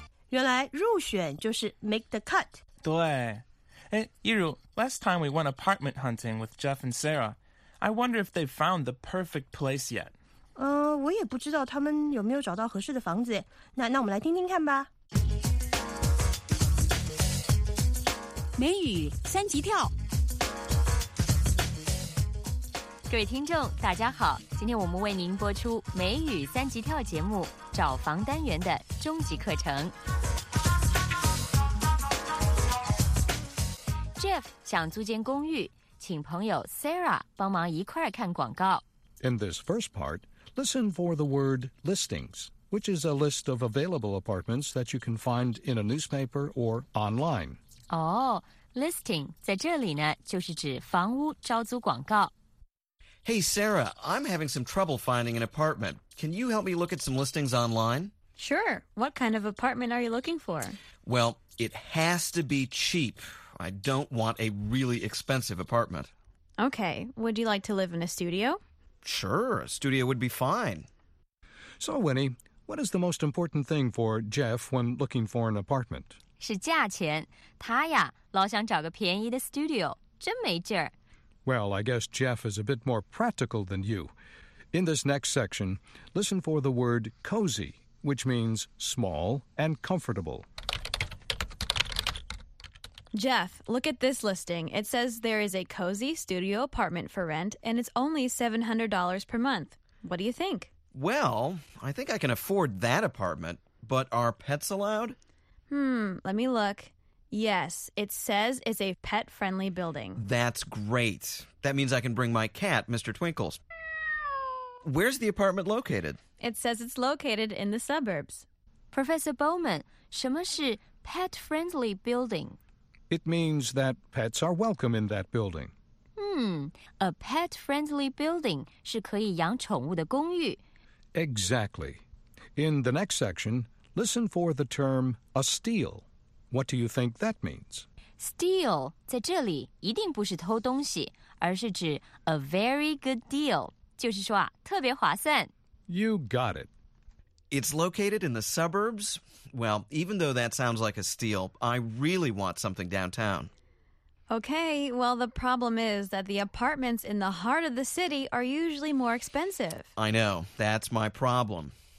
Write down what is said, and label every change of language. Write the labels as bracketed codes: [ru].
[zh] 原来入选就是 [en] make the cut。 [zh] 对。哎，一如 [en] last time we went apartment hunting with Jeff and Sarah. I wonder if they've found the perfect place yet. [zh] 我也不知道他们有没有找到合适的房子。那我们来听听看吧。美语三级跳。各位听众大家好，今天我们为您播出美语三级跳节目找房单元的终极课程。 Jeff 想租间公寓，请朋友 Sarah 帮忙一块看广告。 [en] In this first part, listen for the word listings, which is a list of available apartments that you can find in a newspaper or online. [zh] Listing 在这里呢，就是指房屋招租广告。 [en] Hey Sarah, I'm having some trouble finding an apartment. Can you help me look at some listings online? Sure. What kind of apartment are you looking for? Well, it has to be cheap. I don't want a really expensive apartment. Okay, would you like to live in a studio? Sure, a studio would be fine. So, Winnie, what is the most important thing for Jeff when looking for an apartment? [zh] 是价钱。他呀，老想找个便宜的 studio, 真没劲儿。 [en] Well, I guess Jeff is a bit more practical than you. In this next section, listen for the word cozy, which means small and comfortable. Jeff, look at this listing. It says there is a cozy studio apartment for rent, and it's only $700 per month. What do you think? Well, I think I can afford that apartment, but are pets allowed? Let me look. Yes, it says it's a pet-friendly building. That's great. That means I can bring my cat, Mr. Twinkles. Where's the apartment located? It says it's located in the suburbs. [zh] Professor Bowman, 什么是 pet-friendly building? [en] It means that pets are welcome in that building. [zh] A pet-friendly building 是可以养宠物的公寓。 [en] Exactly. In the next section, listen for the term a steal. What do you think that means? [zh] Steal 在这里一定不是偷东西，而是指 [en] a very good deal， [zh] 就是说啊，特别划算。 [en] You got it. It's located in the suburbs? Well, even though that sounds like a steal, I really want something downtown. Okay, well, the problem is that the apartments in the heart of the city are usually more expensive. I know, that's my problem.